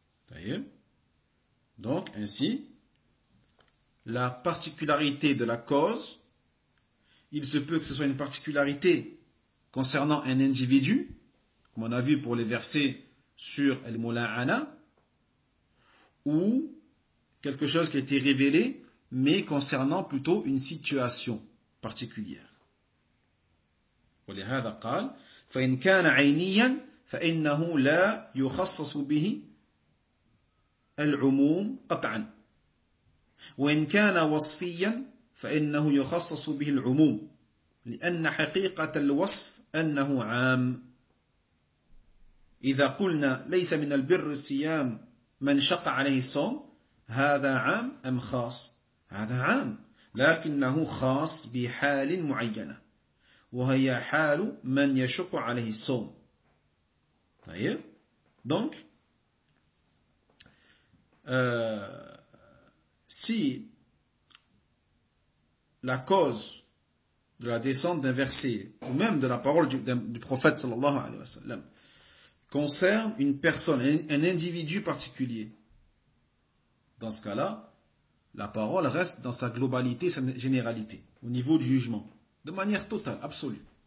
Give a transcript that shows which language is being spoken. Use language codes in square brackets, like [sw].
[fr] D'ailleurs, donc, ainsi, la particularité de la cause, il se peut que ce soit une particularité concernant un individu, comme on a vu pour les versets sur Al-Mula'ana, ou quelque chose qui a été révélé, mais concernant plutôt une situation particulière. [ar] ولهذا قال فإن كان عينيا فإنه لا يخصص به العموم قطعا وإن كان وصفيا فإنه يخصص به العموم لأن حقيقة الوصف أنه عام إذا قلنا ليس من البر الصيام من شق عليه الصوم هذا عام أم خاص هذا عام لكنه خاص بحال معينة وهي حال من يشق عليه الصوم. [fr] طيب دونك si la cause de la descente d'un verset, ou même de la parole du prophète sallallahu alayhi wa sallam, concerne une personne, un individu particulier, dans ce cas-là, la parole reste dans sa globalité, sa généralité, au niveau du jugement, de manière totale, absolue.